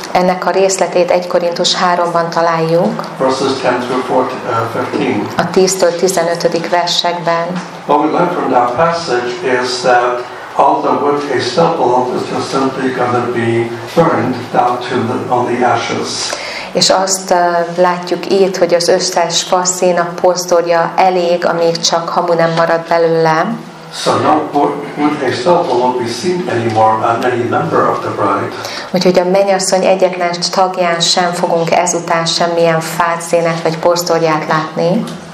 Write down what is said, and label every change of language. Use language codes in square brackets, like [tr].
[hu] Ennek a részletét 1 Korintus 3-ban találjuk. [en] Verses 10 through 15. [hu] A 10-től 15. versekben. [en] What we learned from that passage is that all the wood is stubble is just simply going to be burned down to the ashes. [hu] És azt látjuk itt, hogy az összes faszén a posztorja elég, amíg csak hamu nem marad belőle. [en] So no wood hay stubble will be seen anymore on any member of the bride. [hu] Úgyhogy a mennyasszony egyetlen tagján sem fogunk ezután semmilyen fát, szénet vagy posztorját látni.